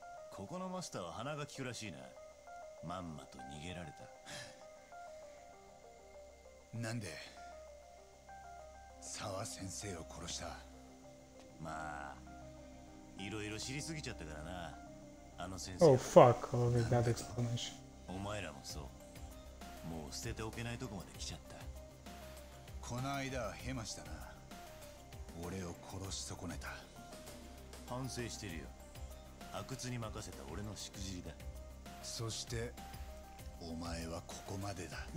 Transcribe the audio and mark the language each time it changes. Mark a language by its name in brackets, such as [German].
[Japanese] ここのマスターは鼻が利くらしいな。まんまと逃げられた。なんで沢先生を殺した。まあいろいろ知りすぎちゃったからな、あの先生。 [English] Oh fuck, I'll need that explanation. [Japanese] お前らもそう、もう捨てておけないとこまで来ちゃった。こないだヘマしたな、俺を殺し損ねた。反省してるよ。阿久津に任せた俺のしくじりだ。そしてお前はここまでだ。